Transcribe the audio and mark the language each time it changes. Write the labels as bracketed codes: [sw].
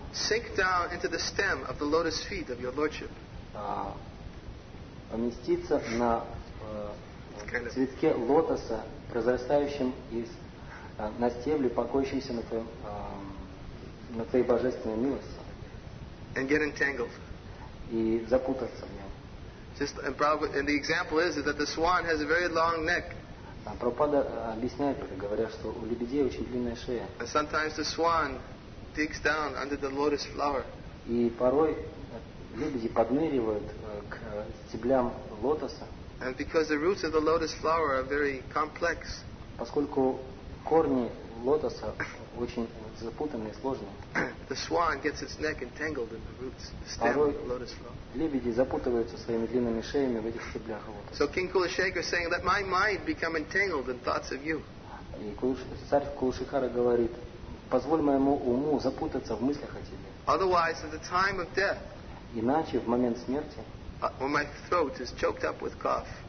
[en] sink down into the stem of the lotus feet of your lordship. [ru] Поместиться на цветке лотоса, произрастающем из на стебле, покоящемся на твоей божественной милости. [en] And get entangled. [ru] И запутаться в нем. [en] And the example is that the swan has a very long neck. [ru] Прабхупада объясняет это, говоря, что у лебедей очень длинная шея. [en] And sometimes the swan digs down under the lotus flower. [ru] И порой лебеди подныривают к стеблям лотоса. [en] And because the roots of the lotus flower are very complex. [ru] Поскольку корни лотоса очень запутанные и сложные. [en] The swan gets its neck entangled in the roots, the stem of the lotus flower. [ru] Лебеди запутываются своими длинными шеями в этих стеблях лотоса. [en] So King Kulashekar is saying, let my mind become entangled in thoughts of you. [ru] И царь Кулашекара говорит, позволь моему уму запутаться в мыслях о тебе. [en] Otherwise, at the time of death. [ru] Иначе в момент смерти. [en] When my throat is choked up with cough.